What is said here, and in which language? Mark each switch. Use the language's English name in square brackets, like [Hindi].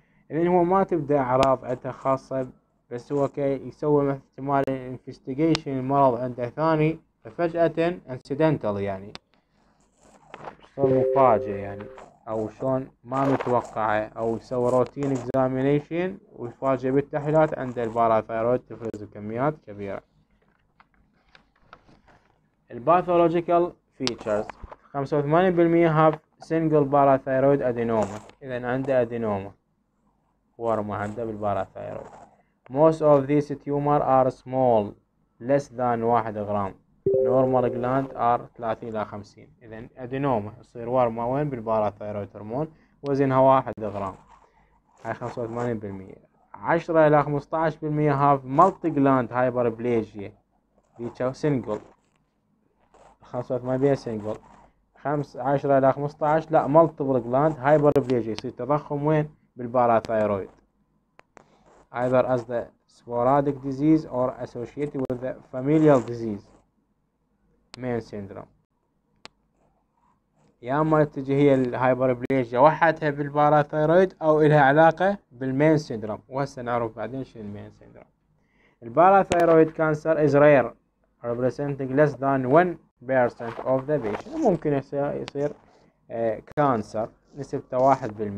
[Arabic] إذن هو ما تبدأ أعراض عنده خاصة، بس هو يسوي احتمال investigation المرض عنده ثاني، ففجأة incidental يعني صار مفاجئ يعني، أو شلون ما متوقعة، أو يسوي روتين examination ويفاجئ بالتحليلات عند الباراثيرويد تفرز كميات كبيرة. الباثولوجيكال فيتشرز 85% [English] have single parathyroid adenoma، [Arabic] إذا عنده adenoma ورمة عنده بالباراثيرويد. [English] Most of these tumors are small less than 1 gram. Normal gland are 30 إلى 50. [Arabic] إذا أدينوما يصير ورمة وين؟ بالباراثيرويد هرمون، وزنها 1 غرام، هاي 85%. 10 إلى 15% [English] have multi gland hyperplasia [Arabic] بيتشو سينجل، 85% سينجل، 10 إلى 15 لا multiple gland hyperplasia يصير تضخم وين؟ بالباراثيرويد. [English] Either as the sporadic disease or associated with the familial disease. [Arabic] مين سيندروم يا اما تجي هي الهايبربليجيا وحدها بالباراثيرويد او لها علاقه بالمين سيندروم، وهسه نعرف بعدين شنو المين سيندروم. [English] الباراثيرويد cancer is rare representing less than 1% of the patient, [Arabic] ممكن يصير كانسر نسبته 1%.